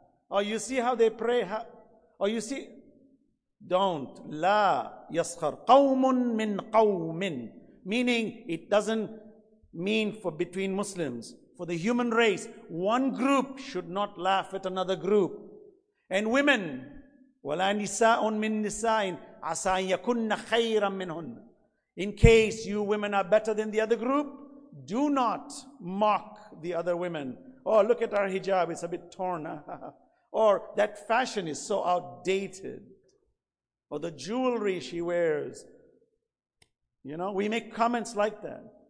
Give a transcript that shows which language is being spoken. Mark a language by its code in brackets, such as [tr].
[en] Or you see how they pray. Or you see, don't. [ar] لا يسخر قوم من قوم. [en] Meaning, it doesn't mean for between Muslims. For the human race, one group should not laugh at another group. And women, [ar] ولا نساء من نساء عسى يكون خيرا منهن. [en] In case you women are better than the other group, do not mock the other women. Oh, look at our hijab, it's a bit torn. Or that fashion is so outdated. Or the jewelry she wears. You know, we make comments like that.